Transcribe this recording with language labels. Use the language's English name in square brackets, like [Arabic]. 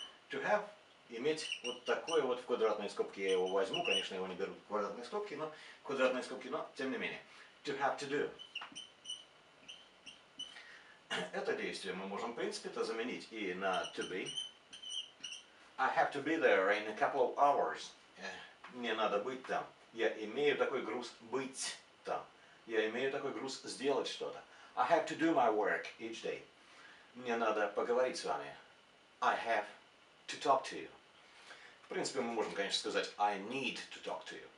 [English] «To have» [Russian] – иметь вот такое вот в квадратные скобки. Я его возьму, конечно, его не беру в квадратные скобки, но квадратные скобки, но тем не менее. [English] «To have to do». [Russian] Это действие мы можем, в принципе, это заменить и на [English] to be. I have to be there in a couple of hours. [Russian] Мне надо быть там. Я имею такой груз быть там. Я имею такой груз сделать что-то. [English] I have to do my work each day. [Russian] Мне надо поговорить с вами. [English] I have to talk to you. [Russian] В принципе, мы можем, конечно, сказать [English] I need to talk to you.